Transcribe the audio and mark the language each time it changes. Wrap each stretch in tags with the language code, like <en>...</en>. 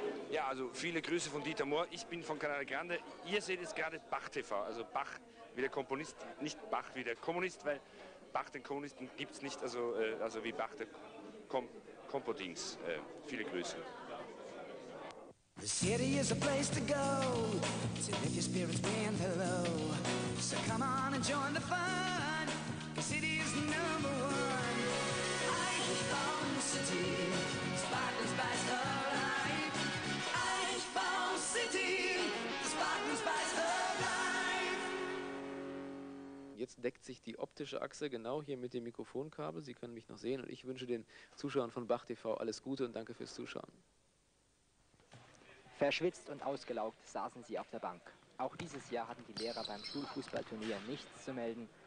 <de>Ja, also viele Grüße von Dieter Mohr. Ich bin von Canale Grande. Ihr seht es gerade Bach TV, also Bach wie der Komponist, nicht Bach wie der Kommunist, weil Bach den Kommunisten gibt es nicht, also wie Bach der Kompodings. Viele Grüße.</de> <en>The city is a place to go to lift your spirits when they're low. So come on and join the fun. The city is number one. I found the city, sparkling spice of life. I found the city, sparkling spice of life.</en> <de>Jetzt deckt sich die optische Achse genau hier mit dem Mikrofonkabel. Sie können mich noch sehen und ich wünsche den Zuschauern von Bach TV alles Gute und danke fürs Zuschauen. Verschwitzt und ausgelaugt saßen sie auf der Bank. Auch dieses Jahr hatten die Lehrer beim Schulfußballturnier nichts zu melden</de>